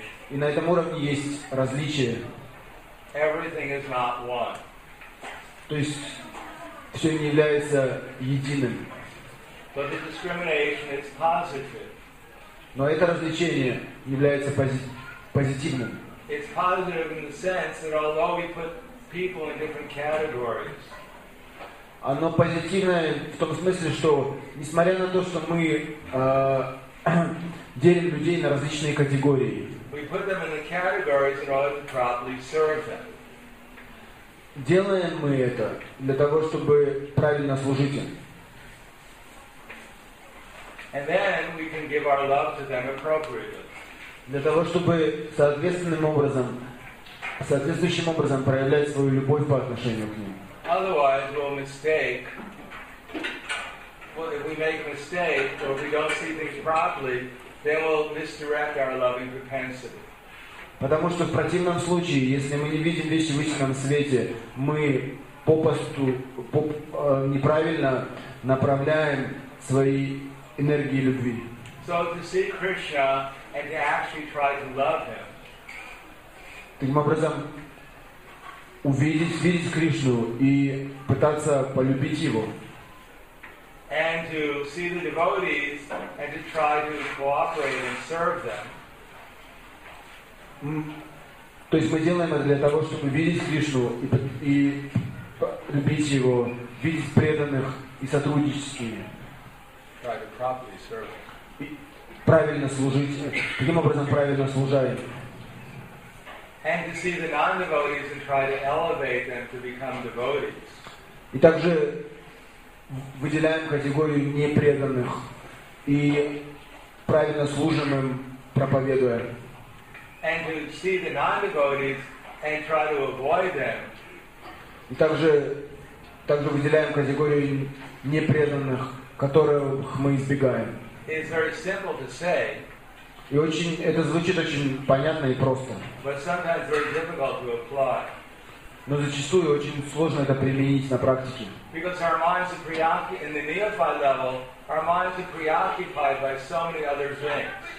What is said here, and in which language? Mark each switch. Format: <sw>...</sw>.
<ru>И на этом уровне есть различия.</ru> <en>Everything is not one.</en> <ru>То есть все не является единым.</ru> <en>But the discrimination is positive.</en> <ru>Но это различие является позитивным.</ru> <en>It's positive in the sense that although we put people in different categories,</en> <ru>оно позитивное в том смысле, что несмотря на то, что мы делим людей на различные категории,</ru> <en>we put them in the categories in order to properly serve them.</en> <ru>Делаем мы это для того, чтобы правильно служить им.</ru> <en>And then we can give our love to them appropriately.</en> <ru>Для того, чтобы соответствующим образом проявлять свою любовь по отношению к ним.</ru> <en>Otherwise we'll mistake. Well, if we make a mistake, or if we don't see things properly, then we'll misdirect our loving propensity.</en> <ru>Потому что в противном случае, если мы не видим вещи в истинном свете, мы попросту неправильно направляем свои энергии любви.</ru> <en>So to see Krishna and to actually try to love him.</en> <ru>Таким образом, увидеть Кришну и пытаться полюбить его.</ru> <en>And to see the devotees and to try to cooperate and serve them.</en> <ru>То есть мы делаем это для того, чтобы видеть Кришну и любить его, видеть преданных и сотрудничать с ними.</ru> <en>Try to properly serve.</en> <ru>Правильно служить. Каким образом правильно служаем?</ru> <en>And to see the non-devotees and try to elevate them to become devotees.</en> <ru>И также выделяем категорию непреданных и правильно служим им, проповедуя.</ru> <en>And to see the non-devotees and try to avoid them.</en> <ru>И также также выделяем категорию непреданных, которых мы избегаем.</ru> <en>It's very simple to say.</en> <ru>И очень, это звучит очень понятно и просто.</ru> <en>But sometimes very difficult to apply.</en> <ru>Но зачастую очень сложно это применить на практике.</ru> <en>Because our minds are preoccupied in the neophyte level, our minds are preoccupied by so many other things.</en>